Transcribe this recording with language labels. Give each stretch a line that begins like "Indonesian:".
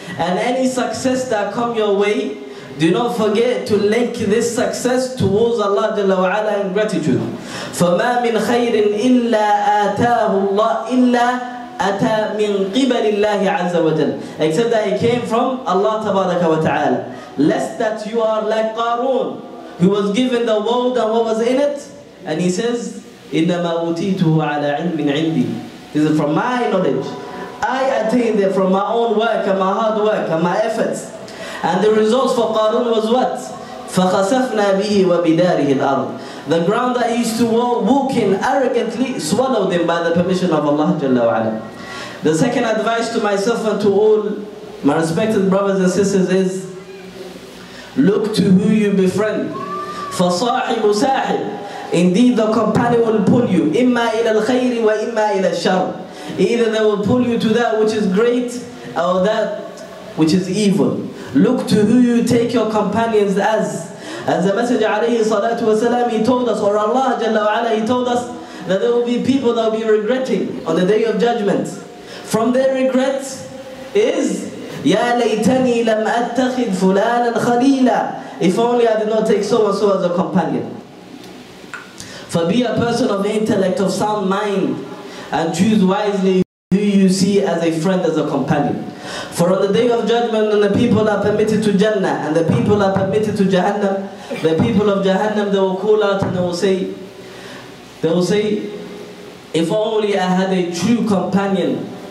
English: And any success that come your way, do not forget to link this success towards Allah Jalla wa Ala in gratitude.
Arabic: فَمَا مِنْ خَيْرٍ إِلَّا آتَاهُ اللَّهِ إِلَّا أَتَى مِنْ قِبَلِ اللَّهِ عَزَّ وَجَلْ.
English: Except that he came from Allah Tabaraka wa Ta'ala. Lest that you are like Qarun, who was given the world and what was in it. And he says,
Arabic: إِنَّمَا أُوتِيتُهُ عَلَى عِلْمٍ عِنْدِي.
English: This is from my knowledge. I attained it from my own work and my hard work and my efforts. And the results for Qarun was what?
Arabic: فَخَسَفْنَا بِهِ وَبِدَارِهِ الْأَرْضِ.
English: The ground that he used to walk in arrogantly swallowed him by the permission of Allah Jalla wa Ala. The second advice to myself and to all my respected brothers and sisters is, look to who you befriend.
Arabic: فَصَاحِبُ سَاحِبُ.
English: Indeed the companion will pull you.
Arabic: إِمَّا إِلَى الْخَيْرِ وَإِمَّا إِلَى الشَّرِ.
English: Either they will pull you to that which is great or that which is evil. Look to who you take your companions as. As the Messenger عليه الصلاة والسلام he told us, or Allah جل وعلا he told us, that there will be people that will be regretting on the day of judgment. From their regrets is,
Arabic: يَا لَيْتَنِي لَمْ أَتَّخِذْ فُلَانًا خَلِيلًا.
English: If only I did not take so and so as a companion. For be a person of intellect, of sound mind, and choose wisely who you see as a friend, as a companion. For on the day of judgment, when the people are permitted to Jannah and the people are permitted to Jahannam, the people of Jahannam, they will call out and they will say, if only I had a true companion